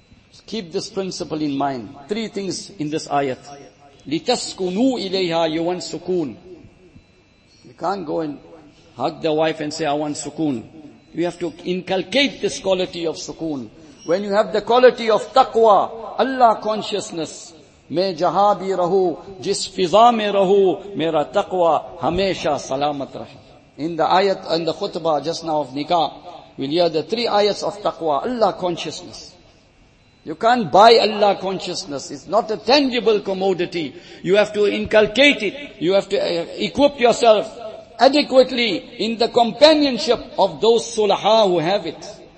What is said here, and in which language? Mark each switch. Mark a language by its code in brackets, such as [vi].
[en] So keep this principle in mind. Three things in this ayat. [ar] لِتَسْكُنُوا إِلَيْهَا [en] you want sukoon. You can't go and hug the wife and say, I want sukoon. You have to inculcate this quality of sukoon. When you have the quality of taqwa, Allah consciousness, [ur] میں جہاں بھی رہو جس فضا میں رہو میرا تقوی ہمیشہ سلامت رہے. [en] In the ayat and the khutbah just now of nikah, we'll hear the three ayats of taqwa, Allah consciousness. You can't buy Allah consciousness. It's not a tangible commodity. You have to inculcate it. You have to equip yourself adequately in the companionship of those sulaha who have it.